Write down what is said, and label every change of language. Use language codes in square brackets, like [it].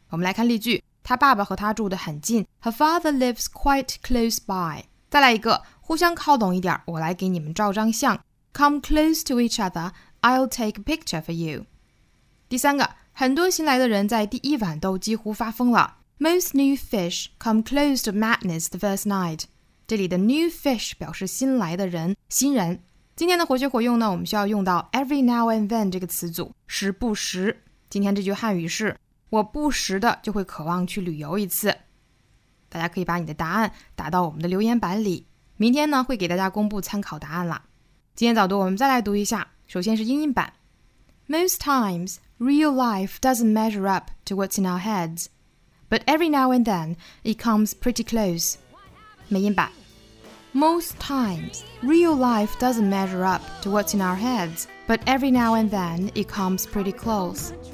[zh] 我们来看例句，他爸爸和他住得很近。 [en] Her father lives quite close by。 [zh] 再来一个，互相靠拢一点，我来给你们照张相。 [en] Come close to each other, I'll take a picture for you. [zh] 第三个，很多新来的人在第一晚都几乎发疯了。 [en] Most new fish come close to madness the first night. [zh] 这里的 new fish 表示新来的人，新人。今天的活学活用呢，我们需要用到 [en] every now and then [zh] 这个词组，时不时。今天这句汉语是，我不时的就会渴望去旅游一次。大家可以把你的答案打到我们的留言板里，明天呢会给大家公布参考答案了。今天早读我们再来读一下，首先是英音版。 [en] Most times, real life doesn't measure up to what's in our heads, but every now and then, it comes pretty close. [zh] 美音版。 [en] Most times, real life doesn't measure up to what's in our heads, but every now and then, it comes pretty close.